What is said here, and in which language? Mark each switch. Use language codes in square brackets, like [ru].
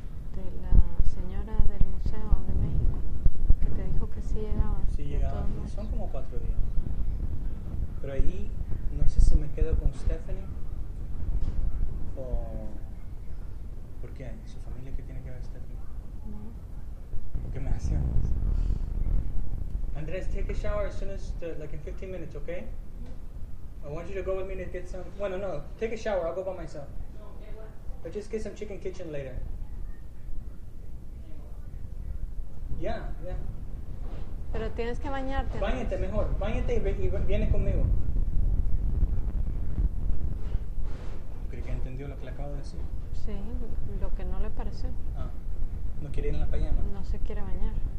[es] De la señora del Museo de México, que te dijo que sí llegaba. Sí llegaba, son como 4 días. Pero ahí, no sé si me quedo con Stephanie o... ¿Por qué? ¿Su familia qué tiene que ver Stephanie? No. ¿Qué me hacían? [en] Andrés, take a shower as soon as, the, like in 15 minutes, okay? I want you to go with me to get some... [es] Bueno, no, [en] take a shower, I'll go by myself. But just get some chicken kitchen later. Yeah, yeah. [es] Pero tienes que bañarte. Báñate mejor. Báñate y viene conmigo. ¿Cree que entendió lo que le acabo de decir? Sí, lo que no le pareció. Ah. ¿No quiere ir en la pijama? No se quiere bañar.